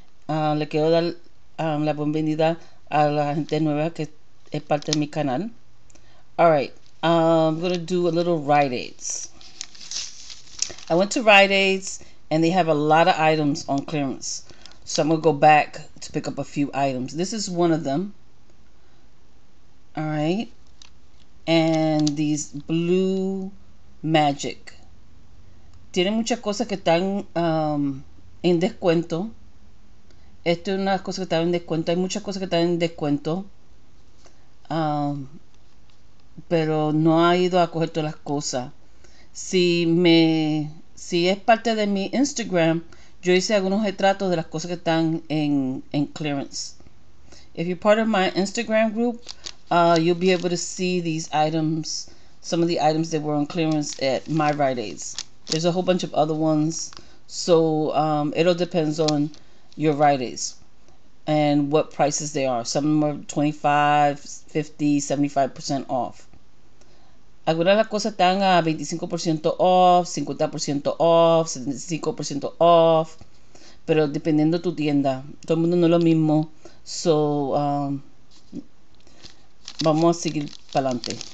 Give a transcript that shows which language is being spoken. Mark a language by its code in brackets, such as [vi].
[es] Le quiero dar la bienvenida a la gente nueva que es parte de mi canal. [en] Alright, I'm going to do a little Rite Aids. I went to Rite Aids and they have a lot of items on clearance. So I'm going to go back to pick up a few items. This is one of them. Alright, and these blue magic. [es] Tienen muchas cosas que están en descuento. Esto es una cosa que está en descuento. Hay muchas cosas que están en descuento. Pero no ha ido a coger todas las cosas. Si es parte de mi Instagram, yo hice algunos retratos de las cosas que están en clearance. [en] If you're part of my Instagram group, you'll be able to see these items, some of the items that were on clearance at my Rite Aids. There's a whole bunch of other ones, so it all depends on your Rite Aids and what prices they are. Some of them are 25, 50, 75% off. [es] Algunas de las cosas están a 25% off, 50% off, 75% off, pero dependiendo tu tienda, todo el mundo no es lo mismo, so vamos a seguir pa'lante.